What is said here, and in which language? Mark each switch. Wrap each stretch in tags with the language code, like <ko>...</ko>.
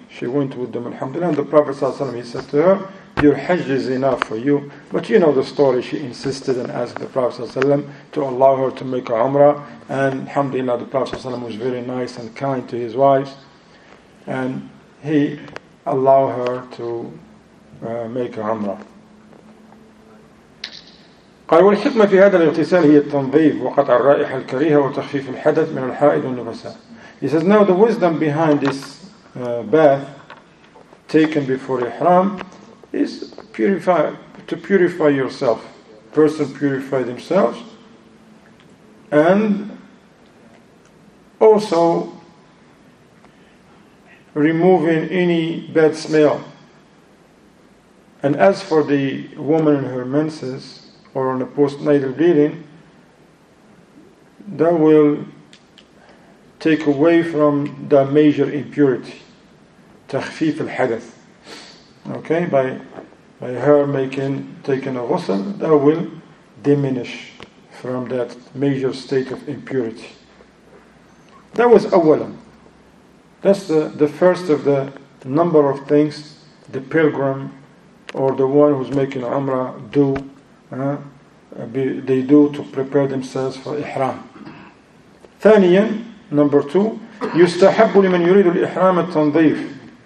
<en>She went with them, alhamdulillah. And the Prophet ﷺ, he said to her, your Hajj is enough for you. But you know the story. She insisted and asked the Prophet ﷺ to allow her to make a Umrah. And alhamdulillah, the Prophet ﷺ was very nice and kind to his wives. And he allowed her to make a Umrah.</en> <ar>قال والحكمة في هذا الاغتسال هي التنظيف وقطع الرائحة الكريهة وتخفيف الحدث من الحائض والنفساء.</ar> <en>He says now the wisdom behind this bath taken before Ihram is to purify yourself. Person purify themselves, and also removing any bad smell. And as for the woman in her menses or on a postnatal bleeding, that will take away from the major impurity,</en> <ar>تخفيف الحدث.</ar> <en>Okay, by her taking a ghusl, that will diminish from that major state of impurity. That was awwalan. That's the first of the number of things the pilgrim or the one who's making umrah do. They do to prepare themselves for ihram.</en> <ar>Thaniyan,</ar> <en>number two,</en> <ar>يُسْتَحَبُّ لِمَنْ يُرِيدُ الْإِحْرَامَ التَّنْظِيفِ.</ar>